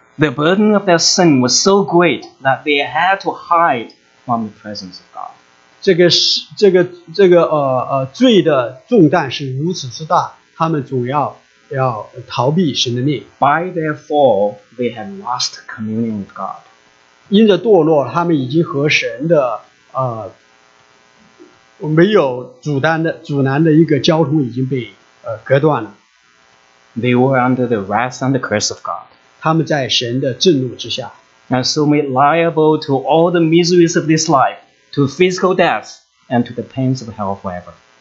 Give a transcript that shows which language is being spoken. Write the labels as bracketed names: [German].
[English] The burden of their sin was so great that they had to hide from the presence of God. [Chinese] 罪的重担是如此之大,他们总要逃避神的命。 [English] By their fall, they had lost communion with God. [Chinese] 因着堕落,他们已经和神的没有阻拦的一个交通已经被隔断了。 [English] They were under the wrath and the curse of God. [Chinese] 他们在神的震怒之下。 [English] And so made liable to all the miseries of this life, to physical death, and to the pains of hell forever.